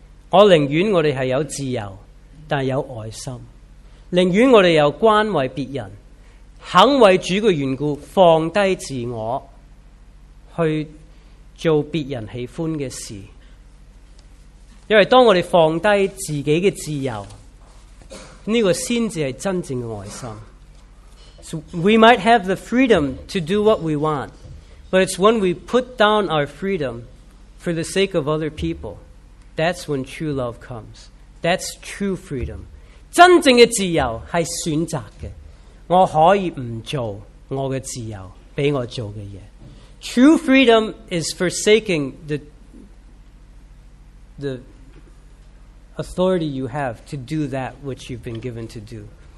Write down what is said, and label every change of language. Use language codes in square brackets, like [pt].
[zh] 我宁愿我们是有自由，但有爱心，宁愿我们有关怀别人，肯为主的缘故放低自我去做别人喜欢的事。因为当我们放低自己的自由，这个才是真正的爱心。 [en] So, we might have the freedom to do what we want, but it's when we put down our freedom for the sake of other people, that's when true love comes. That's true freedom. 真正的自由是选择的。 [zh] 我可以不做我的自由给我做的事。 [en] True freedom is forsaking the authority you have to do that which you've been given to do.